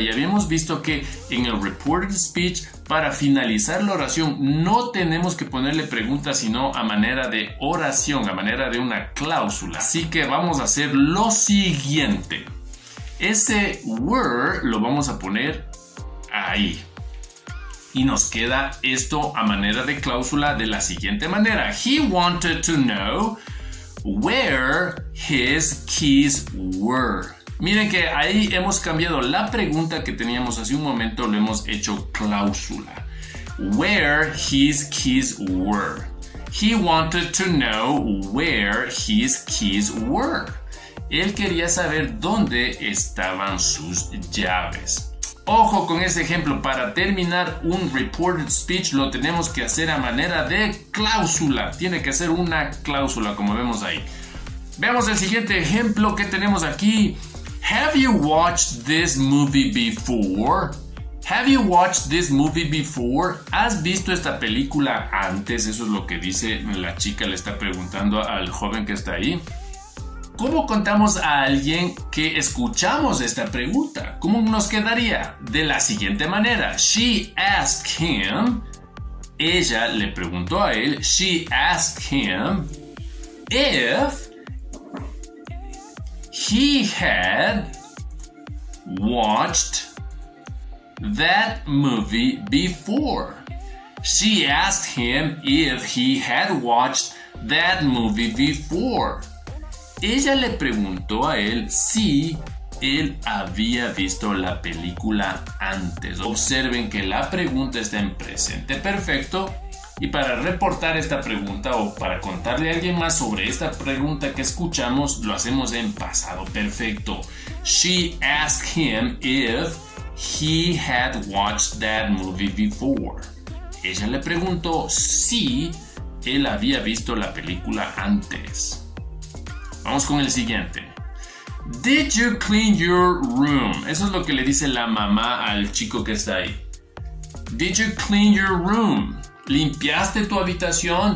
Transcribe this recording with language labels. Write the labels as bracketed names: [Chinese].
[Spanish] Y habíamos visto que en el reported speech, para finalizar la oración, no tenemos que ponerle pregunta, sino a manera de oración, a manera de una cláusula. Así que vamos a hacer lo siguiente. Ese were lo vamos a poner ahí. Y nos queda esto a manera de cláusula de la siguiente manera. [English] He wanted to know where his keys were. [Spanish] Miren que ahí hemos cambiado la pregunta que teníamos hace un momento, lo hemos hecho cláusula. [English] Where his keys were. He wanted to know where his keys were. [Spanish] Él quería saber dónde estaban sus llaves. Ojo con ese ejemplo, para terminar un reported speech lo tenemos que hacer a manera de cláusula. Tiene que ser una cláusula, como vemos ahí. Veamos el siguiente ejemplo que tenemos aquí. [English] Have you watched this movie before? Have you watched this movie before? [Spanish] ¿Has visto esta película antes? Eso es lo que dice la chica, le está preguntando al joven que está ahí. ¿Cómo contamos a alguien que escuchamos esta pregunta? ¿Cómo nos quedaría? De la siguiente manera. [English] She asked him. [Spanish] Ella le preguntó a él. [English] She asked him if he had watched that movie before. She asked him if he had watched that movie before. [Spanish] Ella le preguntó a él si él había visto la película antes. Observen que la pregunta está en presente perfecto. Y para reportar esta pregunta o para contarle a alguien más sobre esta pregunta que escuchamos, lo hacemos en pasado perfecto. [English] She asked him if he had watched that movie before. [Spanish] Ella le preguntó si él había visto la película antes. Vamos con el siguiente. [English] Did you clean your room? [Spanish] Eso es lo que le dice la mamá al chico que está ahí. [English] Did you clean your room? [Spanish] ¿Limpiaste tu habitación?